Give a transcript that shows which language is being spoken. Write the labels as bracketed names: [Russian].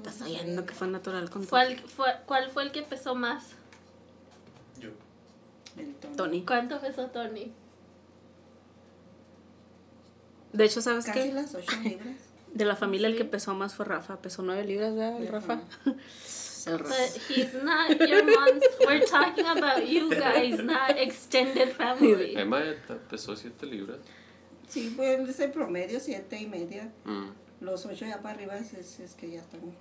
[Spanish] ¿Estás sabiendo que fue natural con todo? ¿Cuál fue el que pesó más? Yo. Tony. ¿Cuánto pesó Tony? De hecho, ¿sabes qué? Casi las 8 libras. De la familia, el que pesó más fue Rafa. Pesó 9 libras, ¿verdad, el Rafa? [English] But he's not your mom's. We're talking about you guys, not extended family. [Spanish] Emma pesó 7 libras. Sí, fue ese promedio, 7.5. Los 8 ya para arriba es que ya están.